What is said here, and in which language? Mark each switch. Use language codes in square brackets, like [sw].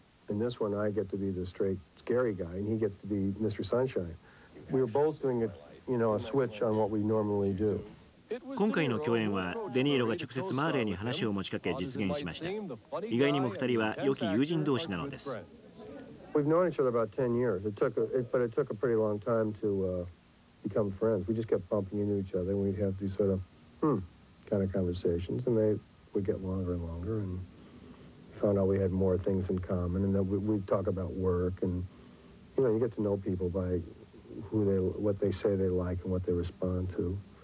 [en] In this one, I get to be the straight, scary guy, and he gets to be Mr. Sunshine. We were both doing it, you know, a switch on what we normally do. [ja] 今回の共演はデニーロが直接マーレーに話を持ちかけ実現しました。意外にも2人は良き友人同士なのです。 [en] We've known each other about 10 years. It took a pretty long time to become friends. We just kept bumping into each other, and we'd have these sort of kind of conversations, and we'd get longer and longer, and found out we had more things in common, and that we'd talk about work, and you know, you get to know people by who they, what they say they like, and what they respond to.